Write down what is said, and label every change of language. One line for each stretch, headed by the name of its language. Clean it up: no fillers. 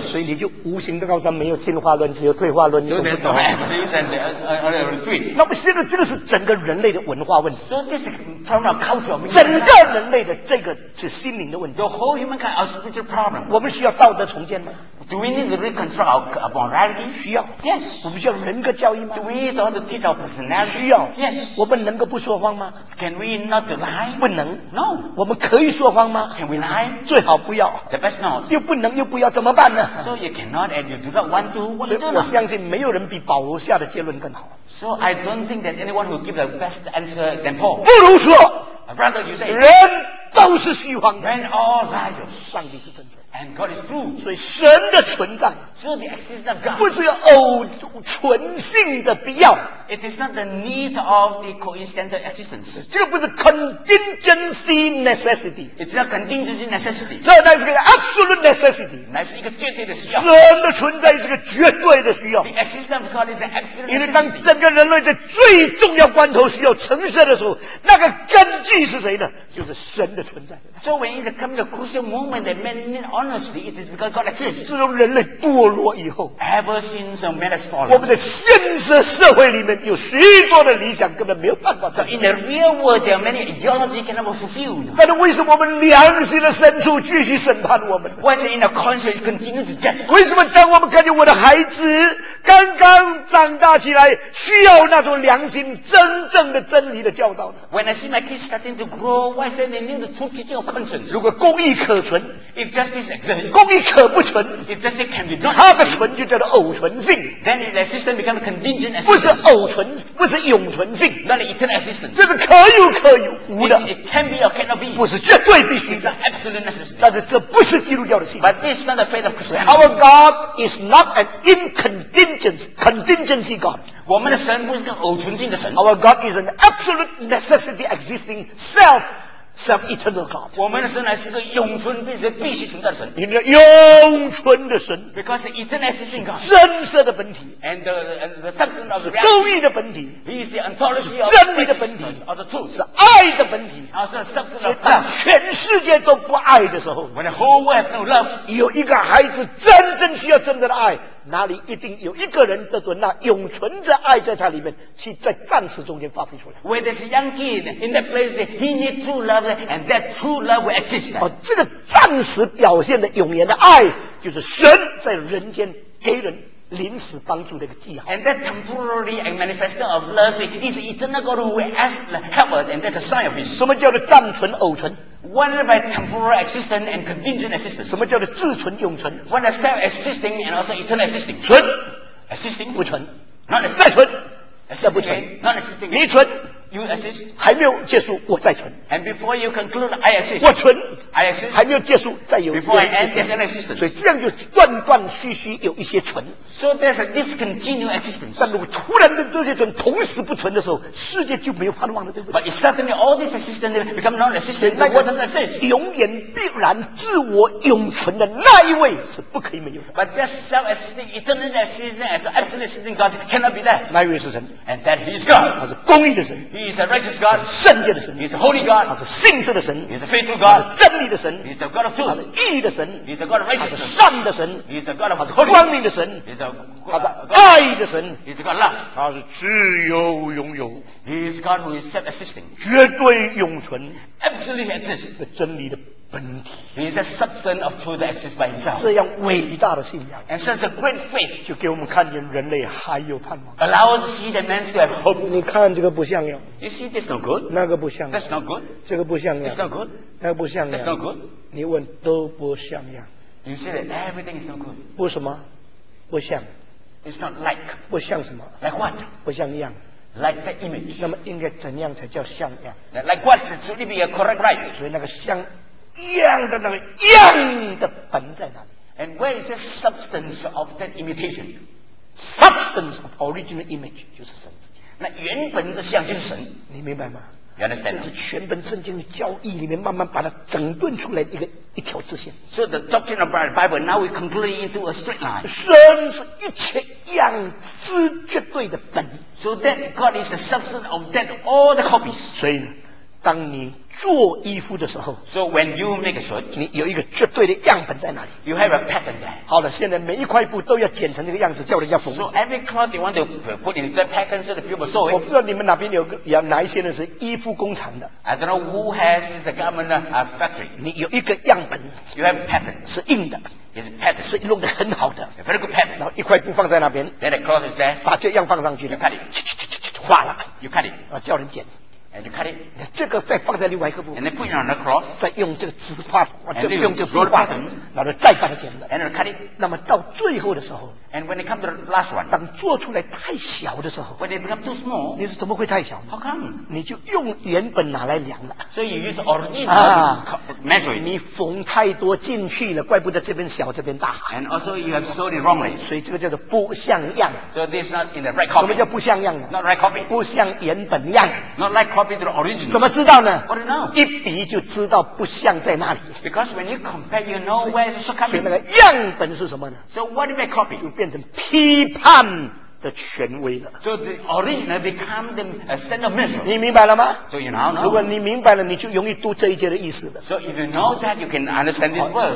Chinese: 所以你就无形的告诉他没有进化论，只有退化论。
English: So there's no evidence and there's a retreat.
Chinese: 那么现在这个是整个人类的文化问题。
English: So this is talking about culture.
Chinese: 整个人类的这个是心灵的问题。
English: The whole humankind is a spiritual problem.
Chinese: 我们需要道德重建吗？
English: Do we need to reconstruct our morality?
Chinese: 需要。
English: Yes.
Chinese: 我们需要人格教育吗？
English: Do we need to teach our personality?
Chinese: 需要。
English: Yes.
Chinese: 我们能够不说谎吗？
English: Can we not lie?
Chinese: 不能。
English: No.
Chinese: 我们可以说谎吗？
English: Can we lie?
Chinese: 最好不要。
English: The best not.
Chinese: 又不能又不要怎么办呢？
English: So you cannot and you do not want to.
Chinese: 所以我相信没有人比保罗下的结论更好。
English: So I don't think there's anyone who give the best answer than Paul.
Chinese: 不如说。
English: Rather you say.
Chinese: 人都是虚幻的。
English: Men all liars.
Chinese: 上帝是真实。
English: And God is true.
Chinese: 所以神的存在
English: so the existence of God,
Chinese: 不是偶纯性的必要
English: It is not the need of the coincidental existence.
Chinese: 这个不是
English: contingency necessity. It's not contingency necessity.
Chinese: 这乃是个
English: absolute necessity.
Chinese: 乃是一个绝对的需要神的存在是个绝对的需要
English: The existence of God is an absolute necessity.
Chinese: 因为当整个人类在最重要关头需要成圣的时候那个根基是谁呢就是神的存在
English: So when it comes to a crucial moment that men needHonestly, it is because God exists.
Chinese: 自从人类堕落以后
English: ，Ever since man has fallen,
Chinese: 我们的现实社会里面有许多的理想根本没有办法成。
English: In the real world, there are many ideologies cannot be fulfilled.
Chinese: 但是为什么我们良心的深处继续审判我们
English: ？Why is it in the conscience continue to judge?
Chinese: 为什么当我们看见我的孩子刚刚长大起来，需要那种良心真正的真理的教导呢
English: ？When I see my kids starting to grow, why is it they need the true teaching of conscience?
Chinese: 如果公义可存
English: ，If just Exists,
Chinese: 公义可不存
English: not,
Chinese: 它的存就叫做偶存性
English: then the system becomes contingent
Chinese: 不是偶存不是永存性
English: not the eternal existence.
Chinese: 这是可有可有无的
English: it can be or cannot be.
Chinese: 不是绝对必须
English: it's an absolute necessity.
Chinese: 但是这不是基督教的信仰
English: But this is not the faith of Christianity. Our God is not an incontingency God.
Chinese: 我们的神不是个偶存性的神
English: Our God is an absolute necessity existing selfEternal God.
Chinese: 我们的神乃是个永存并且必须存在的神。你的永存的神。
English: Because the eternal existing God.
Chinese: 真实的本体。
English: And the substance of
Chinese: reality. 是公义的本体。
English: He is the ontology of
Chinese: 真理的本体。
English: Of the truth.
Chinese: 是爱的本体。
English: Also the substance of love.
Chinese: 当全世界都不爱的时候。
English: When the whole world has no love.
Chinese: 有一个孩子真正需要真正的爱。哪里一定有一个人得准那永存的爱在他里面去在暂时中间发挥出来
English: Where there's a young kid in that place he needs true love and that true love will exist、
Chinese: 哦、这个暂时表现的永远的爱就是神在人间给人临时帮助的一个记号。
English: And that temporary manifestation of love is eternal God who will help us, and that's a sign of His.
Chinese: 什么叫做暂存偶存？
English: What is my temporary existence and contingent existence?
Chinese: 什么叫做自存永存
English: ？What is self-existing and also eternal existing?
Chinese: 存
English: ，existing
Chinese: 不存
English: ，not
Chinese: 再存
English: ，existing
Chinese: 不存
English: ，not existing
Chinese: 你存
English: ，you exist
Chinese: 还没有结束，我再存。
English: And before you conclude, I exist.
Chinese: 我存
English: ，I exist
Chinese: 还没有结束，再有
English: before I end, there's an existence.
Chinese: 所以这样就断断续续有一些存。
English: So there's a discontinued existence.
Chinese: 但如果突然的这些存同时不存的时候，世界就没有盼望了，对不对
English: ？But if suddenly all this existence become non-existent, then what does that say?
Chinese: 永远必然自我永存的那一位是不可以没有的。
English: But that self-existing, eternal existence, as absolute existing God cannot be left.
Chinese: 那一位是神
English: ，and that He is God.
Chinese: 他是公义的神
English: ，He is a righteous God.
Chinese: 他是圣洁的神
English: ，He is a holy God.
Chinese: 他是信实的神
English: He's a faithful God
Chinese: 他是真理的神
English: He's the God of truth
Chinese: 他是义的神
English: He's the God of righteousness
Chinese: 他是善的神
English: He's the God of holiness
Chinese: 他是光明的神
English: He's the God of love
Chinese: 他是爱的神
English: He's the God of love
Chinese: 他是自由拥有
English: He's God who is self-existing
Chinese: 绝对永存
English: Absolutely exists
Chinese: 是真理的本体
English: He's the substance of truth that exists by himself
Chinese: 这样伟大的信仰
English: And such a great faith
Chinese: 就给我们看见人类还有盼望
English: Allow to see that man still have hope
Chinese: 你看这个不像呀
English: You see, this is not good.
Chinese: 那个不像。
English: That's not good.
Chinese: 这个不像样。
English: It's not good.
Chinese: 那个不像样。
English: That's not good.
Chinese: 你问都不像样。
English: You see that everything is not good.
Chinese: 不什么？不像。
English: It's not like.
Chinese: 不像什么
English: ？Like what?
Chinese: 不像样。
English: Like the image.
Chinese: 那么应该怎样才叫像样
English: ？Like what? Should it be a correct right?
Chinese: 所以那个像样的那个样的本在哪里
English: ？And where is the substance of that imitation? Substance of original image
Chinese: 就是神。那原本的像就是神，你明白吗？
English: You understand?
Chinese: 这是全本圣经的教义里面慢慢把它整顿出来的一条直线。
English: So the doctrine of the Bible now we conclude into a straight line.
Chinese: 神是一切样式绝对的本。
English: So that God is the substance of that all the copies.
Chinese: 所以呢，当你做衣服的时候
English: ，So when you make a suit,
Chinese: 你有一个绝对的样本在哪里
English: ？You have a pattern there.
Chinese: 好了，现在每一块布都要剪成这个样子，叫人家缝。
English: So every cloth you want to put in the pattern so the people sew it.
Chinese: 我不知道你们哪边有哪一些人是衣服工厂的。
English: I don't know who has this garment factory.
Chinese: 你有一个样本
English: ，You have a pattern
Chinese: 是硬的。
English: It's a pattern.
Chinese: 是弄得很好的
English: ，a very good pattern.
Chinese: 然后一块布放在那边
English: ，Then the cloth is there.
Chinese: 把这样放上去
English: ，You cut it.
Chinese: 切划了
English: ，You cut it.
Chinese: 啊，叫人剪。
English: And you cut it.
Chinese: 这个再放在另外一个布。
English: And then put it on the cloth.
Chinese: 再用这个直画，就用这个直画，然后再把它剪了。
English: And cut it.
Chinese: 那么到最后的时候。
English: And when it comes to the last one.
Chinese: 当做出来太小的时候。
English: When it becomes too small.
Chinese: 你说怎么会太小
English: ？How come?
Chinese: 你就用原本拿来量了。
English: So you use original measure.
Chinese: 你缝太多进去了，怪不得这边小，这边大。
English: And also you have sewed it wrongly.
Chinese: 所以这个叫做不像样。
English: So this is not in the right copy.
Chinese: 什么叫不像样呢
English: ？Not right copy.
Chinese: 不像原本样。
English: Not like copy.
Chinese: 怎么知道呢
English: What do you know?
Chinese: 一比就知道不像在那里
English: Because when you compare, you know where it's coming.
Chinese: 所以那个样本是什么呢
English: So what do you make copy?
Chinese: 就变成批判的权威了
English: So the original becomes the standard measure.
Chinese: 你明白了吗
English: So you now know.
Chinese: 如果你明白了你就容易读这一节的意思了
English: So if you know that, you can understand this verse.